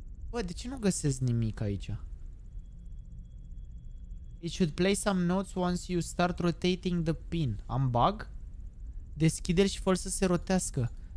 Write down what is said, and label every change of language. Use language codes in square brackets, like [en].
[ro] Bă, de ce nu găsesc nimic aici? [en] It should play some notes once you start rotating the pin. [ro] Am bug? Deschide-l și fă-l să se rotească.